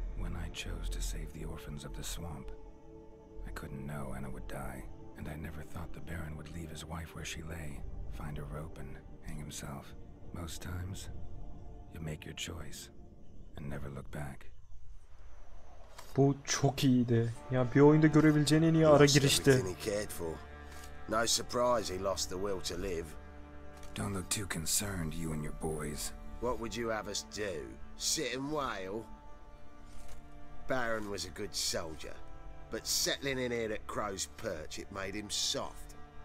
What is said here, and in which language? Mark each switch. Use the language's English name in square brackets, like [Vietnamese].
[English] When I chose to save the orphans of the swamp, I couldn't know Anna would die. And I never thought the Baron would leave his wife where she lay, find a rope and hang himself. Most times, you make your choice and never look back. [Turkish] Bu çok iyiydi. Ya bir oyunda görebileceğin en iyi ara girişti. [English] No surprise he lost the will to live. Don't look too concerned, you and your boys. What would you have us do? Sit and wail? Baron was a good soldier, but settling in here at Crow's Perch, it made him soft.